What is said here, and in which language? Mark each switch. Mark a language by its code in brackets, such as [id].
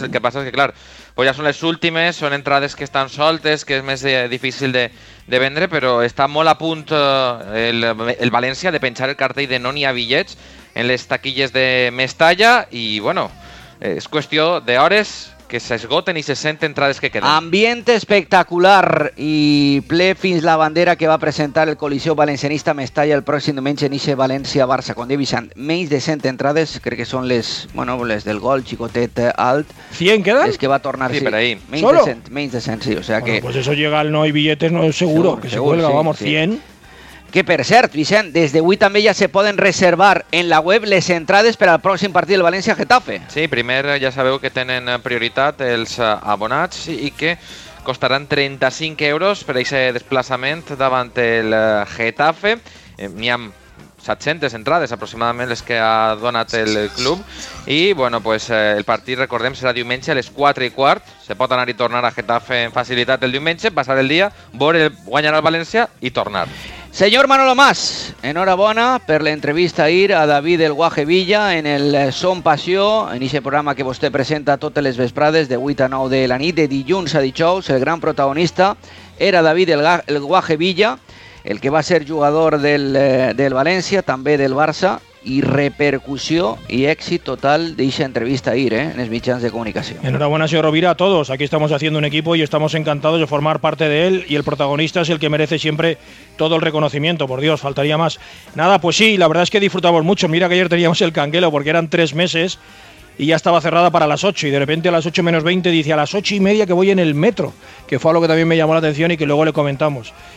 [ca] El que passa és que, clar, pues ja són les últimes, són entrades que estan soltes, que és més difícil de vendre, però està molt a punt el València de penjar el cartell de no n'hi ha bitllets en les taquilles de Mestalla, i, bueno, és qüestió d'hores que s'esgoten i se senten entrades que queden. Ambient espectacular i ple fins la bandera que va presentar el Coliseu Valencianista Mestalla el pròxim diumenge en ixe València-Barça. Quan deixen menys de 100 entrades, crec que són les, bueno, les del gol, xicotet alt. 100 queden? És que va tornar, sí, per ahí. Menys [es] ¿solo? [ca] De 100, menys de 100, sí. O sea, [es] bueno, que... pues eso llega al no hay billetes, no es seguro, [ca] que segur, [es] se cuelga, sí, vamos, sí. 100. [ca] Que per cert, Vicent, des d'avui també ja se poden reservar en la web les entrades per al pròxim partit del València-Getafe. Sí, primer ja sabeu que tenen prioritat els abonats i que costaran 35 euros per a aquest desplaçament davant el Getafe. N'hi ha 700 entrades aproximadament les que ha donat el club. I bueno, pues, el partit, recordem, serà diumenge a les 4:15. Se pot anar i tornar a Getafe amb facilitat el diumenge, passar el dia, veure guanyar el València i tornar. [es] Señor [ca] Manolo Mas, enhorabona per l'entrevista ahir a David el Guaje Villa en el Son Passió, en ese programa que vostè presenta totes les vesprades de 8 a 9 de la nit, de dilluns a dijous. El gran protagonista era David el Guaje Villa, el que va ser jugador del València, també del Barça, i repercussió i èxit total d'aquesta entrevista ahir, en els mitjans de comunicació. [es] Enhorabuena, señor Rovira, a todos. Aquí estamos haciendo un equipo y estamos encantados de formar parte de él, y el protagonista es el que merece siempre todo el reconocimiento. Por Dios, faltaría más. Nada, pues sí, la verdad es que disfrutamos mucho. Mira que ayer teníamos el canguelo porque eran 3 meses y ya estaba cerrada para las 8, y de repente a las 8 menos 20 dice: a las 8 y media que voy en el metro, que fue algo que también me llamó la atención y que luego le comentamos.